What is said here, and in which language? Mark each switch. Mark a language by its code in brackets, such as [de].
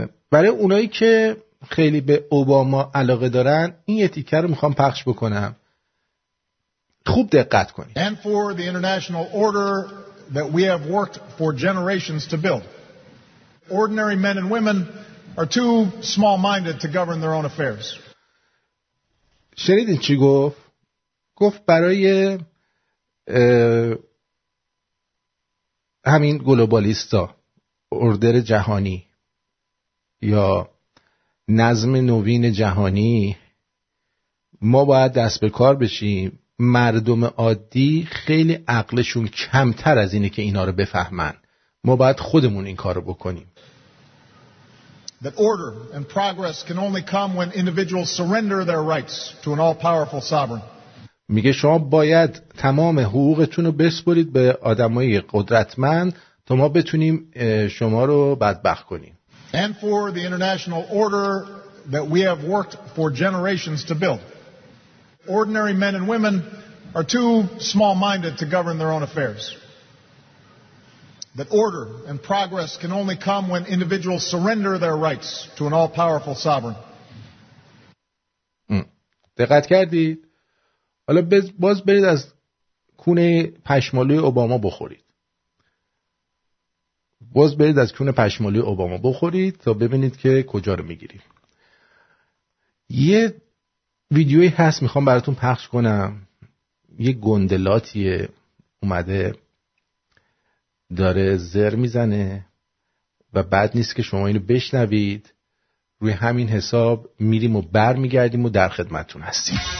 [fa] برای اونایی که خیلی به اوباما علاقه دارن این تیکر رو میخوام پخش بکنم خوب دقت کنید [en] And for the international order that we have worked for generations to build ordinary men and women are too small-minded to govern their own affairs [fa] شنیدین چی گفت گفت برای همین گلوبالیستا اوردر جهانی یا نظم نوین جهانی ما باید دست به کار بشیم مردم عادی خیلی عقلشون کمتر از اینه که اینا رو بفهمن ما باید خودمون این کارو بکنیم [en] That order and progress can only come when individuals surrender their rights to an all-powerful sovereign [fa] میگه شما باید تمام حقوقتون رو بسپرید به آدمای قدرتمند تا ما بتونیم شما رو بدبخت کنیم. [en] And for the international order that we have worked for generations to build. Ordinary men and women are too small-minded to govern their own affairs. That order and progress can only come when individuals surrender their rights to an all-powerful sovereign. [fa] دقت کردی؟ حالا باز برید از کونه پشمالوی اوباما بخورید باز برید از کونه پشمالوی اوباما بخورید تا ببینید که کجا رو میگیریم یه ویدیوی هست میخوام براتون پخش کنم یه گندلاتیه اومده داره زر میزنه و بد نیست که شما اینو بشنوید روی همین حساب میریم و بر میگردیم و در خدمتتون هستیم